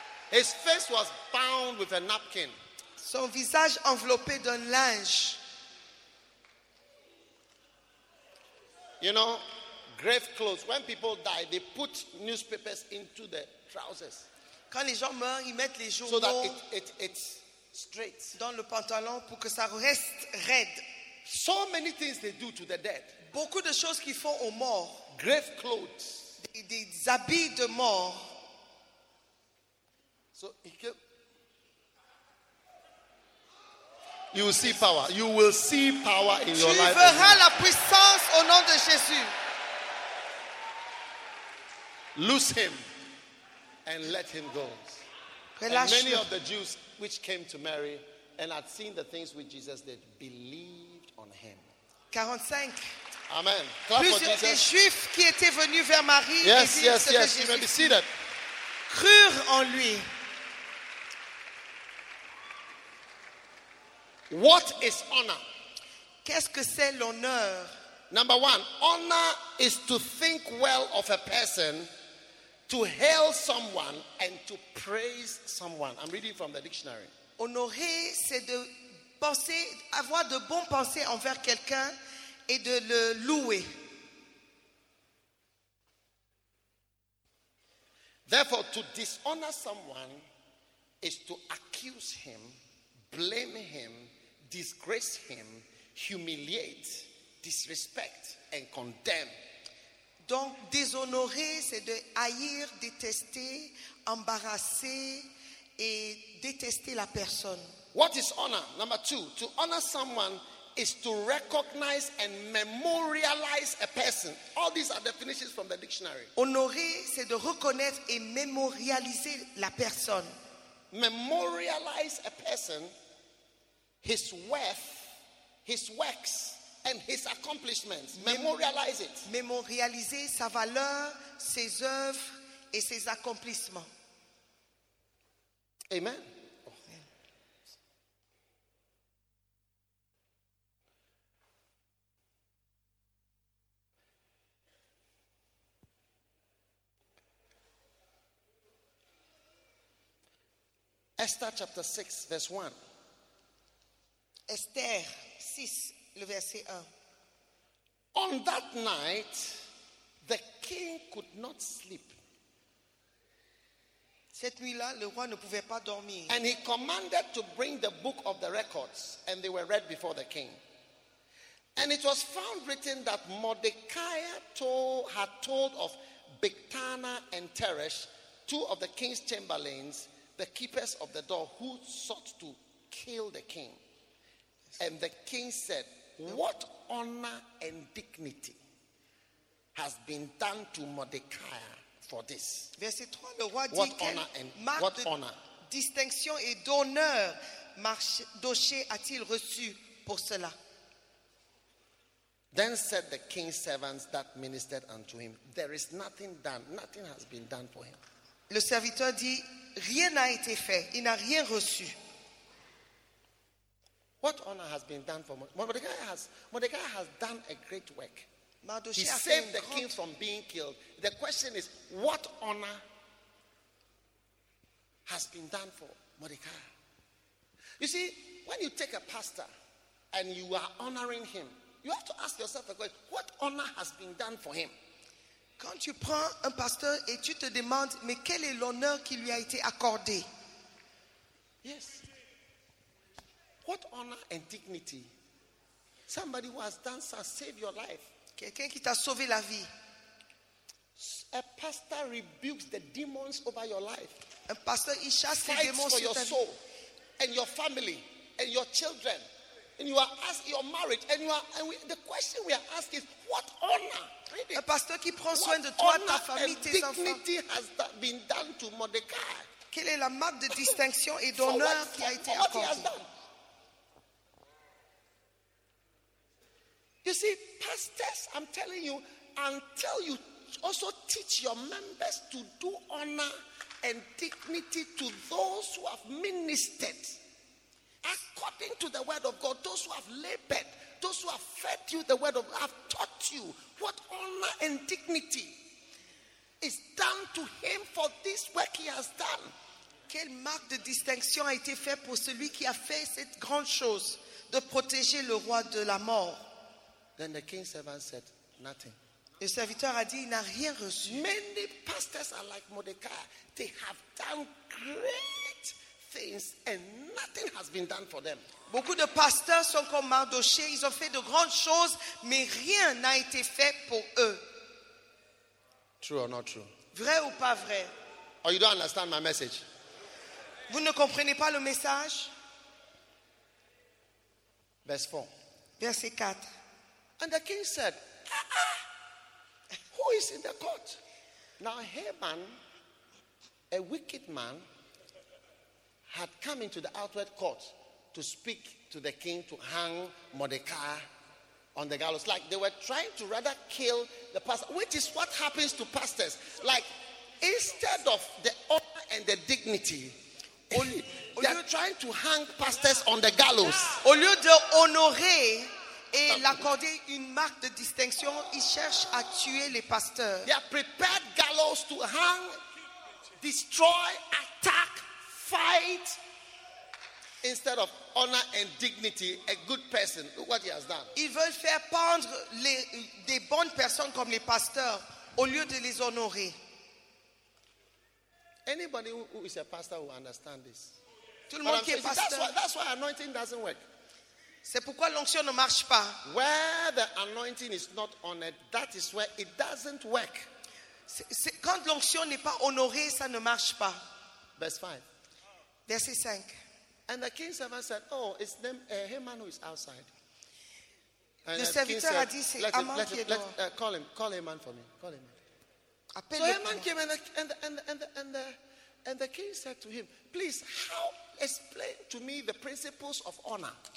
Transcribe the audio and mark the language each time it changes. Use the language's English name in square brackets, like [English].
[English] His face was bound with a napkin. [French] Son visage enveloppé d'un linge. [English] You know, grave clothes. When people die, they put newspapers into the trousers. [French] Quand les gens meurent, ils mettent les journaux. [English] So that it's straight. [French] Dans le pantalon pour que ça reste raide. [English] So many things they do to the dead. [French] Beaucoup de choses qu'ils font aux morts. [English] Grave clothes. [French] Des habits de mort. [English] So he came. You will see power. You will see power in [French] tu [English] your life. [French] Tu verras la puissance au nom de Jésus. [English] Loose him and let him go. [French] Relâche. [English] And many of the Jews which came to Mary and had seen the things which Jesus did, believed on him. 45. Amen. [French] Plusieurs des Juifs qui étaient venus vers Marie [English] yes, [French] et [English] yes, yes. [French] Jésus [English] you may be seated. [French] Crurent en lui. [English] What is honor? [French] Qu'est-ce que c'est l'honneur? [English] Number one, honor is to think well of a person, to hail someone and to praise someone. I'm reading from the dictionary. [French] Honorer, c'est de penser, avoir de bonnes pensées envers quelqu'un et de le louer. [English] Therefore, to dishonor someone is to accuse him, blame him, disgrace him, humiliate, disrespect, and condemn. [French] Donc, déshonorer, c'est de haïr, détester, embarrasser et détester la personne. [English] What is honor? Number two, to honor someone is to recognize and memorialize a person. All these are definitions from the dictionary. [French] Honorer, c'est de reconnaître et mémorialiser la personne. [English] Memorialize a person, his worth, his works, and his accomplishments. Memorialize it. [French] Mémorialiser sa valeur, ses œuvres et ses accomplissements. [English] Amen. Amen. Esther chapter 6, verse 1. [French] Esther 6, le verset 1. [English] On that night, the king could not sleep. [French] Cette nuit-là, le roi ne pouvait pas dormir. [English] And he commanded to bring the book of the records, and they were read before the king. And it was found written that Mordecai had told of Bigthana and Teresh, two of the king's chamberlains, the keepers of the door, who sought to kill the king. And the king said, what honor and dignity has been done to Mordecai for this? [French] Verset 3, le roi dit, [English] what honor? [French] Distinction et d'honneur Mardochée a-t-il reçu pour cela? [English] Then said the king's servants that ministered unto him, there is nothing done, nothing has been done for him. [French] Le serviteur dit, rien n'a été fait, il n'a rien reçu. [English] What honor has been done for Mordecai? Mordecai has done a great work. [French] Mardochée [English] he saved the king from being killed. The question is, what honor has been done for Mordecai? You see, when you take a pastor and you are honoring him, you have to ask yourself a question, what honor has been done for him? [French] Quand tu prends un pasteur et tu te demandes, mais quel est l'honneur qui lui a été accordé? [English] Yes. What honor and dignity? Somebody who has done such, saved your life. [French] Quelqu'un qui t'a sauvé la vie. [English] A pastor rebukes the demons over your life. [French] Un pasteur, il chasse les démons sur [English] your soul and your family and your children. And you are asking your marriage, and you are. And we, the question we are asking is, what honor? [French] Un pasteur qui prend soin de toi, ta famille, tes enfants. [English] What honor and dignity has that been done to Mordecai? [French] Quelle est la marque de distinction et d'honneur qui a été accordée? [English] You see, pastors, I'm telling you, until you also teach your members to do honor and dignity to those who have ministered according to the word of God, those who have labored, those who have fed you the word of God, have taught you what honor and dignity is done to him for this work he has done. [French] Quelle marque de distinction a été faite pour celui qui a fait cette grande chose de protéger le roi de la mort? [English] Then the king's servant said, nothing. [French] Le serviteur a dit, il n'a rien reçu. [English] Many pastors are like Mordecai. They have done great things and nothing has been done for them. [French] Beaucoup de pasteurs sont comme Mardochée. Ils ont fait de grandes choses, mais rien n'a été fait pour eux. [English] True or not true? [French] Vrai ou pas vrai? [English] Oh, you don't understand my message. [French] Vous ne comprenez pas le message? [English] Verse 4. [French] Verset 4. [English] And the king said, who is in the court? Now Haman, a wicked man, had come into the outward court to speak to the king to hang Mordecai on the gallows. Like they were trying to rather kill the pastor, which is what happens to pastors. Like instead of the honor and the dignity, they're trying to hang pastors on the gallows. [French] Au lieu de honorer et l'accorder une marque de distinction, ils cherchent à tuer les pasteurs. [English] They have prepared gallows to hang, destroy, attack, fight, instead of honor and dignity, a good person. Look what he has done. [French] Ils veulent faire pendre des bonnes personnes comme les pasteurs au lieu de les honorer. [English] Anybody who is a pastor will understand this. [French] Tout le monde qui est pasteur. [English] That's why anointing doesn't work. [French] C'est pourquoi l'onction ne marche pas. [English] Where the anointing is not honored, that is where it doesn't work. [French] C'est quand l'onction n'est pas honorée, ça ne marche pas. [English] Verse 5. [French] Verset 5. [English] And the king's servant said, oh, it's them, Haman who is outside. And [French] le serviteur a dit, c'est Haman qui est dehors. [English] Call Haman for me. Call Haman. [French] Appelle [English] so Haman came and the king said to him, please, how explain to me the principles of honor.